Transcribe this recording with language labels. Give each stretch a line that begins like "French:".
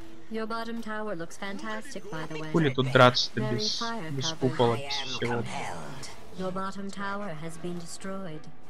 English: Your bottom tower looks fantastic, by the way.
Russian: Хули тут драться-то без купола, без всего.
English: Your bottom tower has been destroyed.